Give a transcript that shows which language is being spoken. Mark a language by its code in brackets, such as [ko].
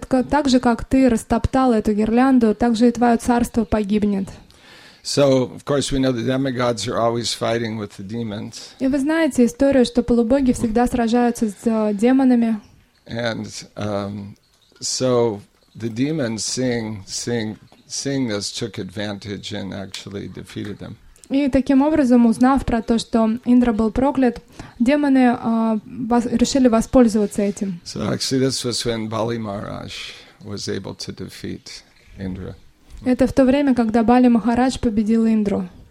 [ru] Так же, как ты растоптал эту гирлянду, так же и твое царство погибнет. [en] So, of course, we know the demigods are always fighting with the demons. [ru] И вы знаете историю, что полубоги всегда сражаются с демонами. [en] And so the demons seeing this took advantage and actually defeated them. [ru] И таким образом, узнав про то, что Индра был проклят, демоны решили воспользоваться этим. [en] So actually this was when Bali Maharaj was able to defeat Indra. [ru] Это в то время, когда Бали Махарадж победил Индру.